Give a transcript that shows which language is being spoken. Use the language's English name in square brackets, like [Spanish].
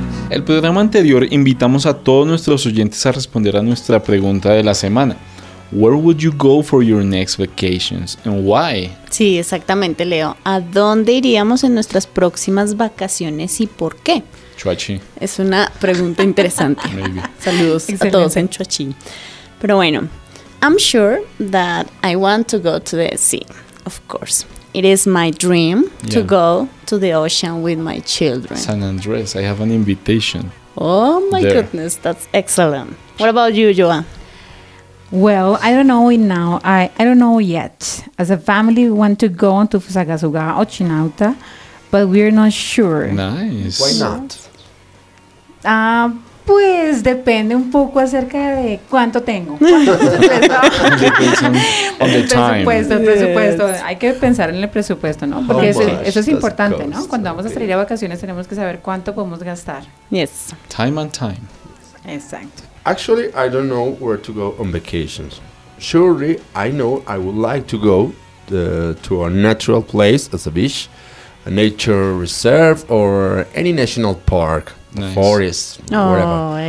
[Spanish] El programa anterior invitamos a todos nuestros oyentes a responder a nuestra pregunta de la semana. [English] Where would you go for your next vacations and why? [Spanish] Sí, exactamente, Leo. ¿A dónde iríamos en nuestras próximas vacaciones y por qué? Chuachi. Es una pregunta interesante. Saludos a todos en Chuachi. Pero bueno, [English] I'm sure that I want to go to the sea, of course. It is my dream to go to the ocean with my children. San Andres, I have an invitation. Oh my goodness, that's excellent. What about you, Joan? Well, I don't know it now. I don't know yet. As a family, we want to go to Fusagasugá or Chinauta, but we're not sure. Nice. Why not? [Spanish] Pues depende un poco acerca de cuánto tengo. ¿Cuánto [English] on the time. [Spanish] El presupuesto. [English] Yes. [Spanish] Hay que pensar en el presupuesto, ¿no? Porque eso es importante, ¿no? Cuando vamos a salir a vacaciones tenemos que saber cuánto podemos gastar. [English] Yes. Time and time. [Spanish] Exacto. [English] Actually, I don't know where to go on vacations. Surely, I know I would like to go to a natural place as a beach, a nature reserve or any national park. Nice. Forest, oh, whatever.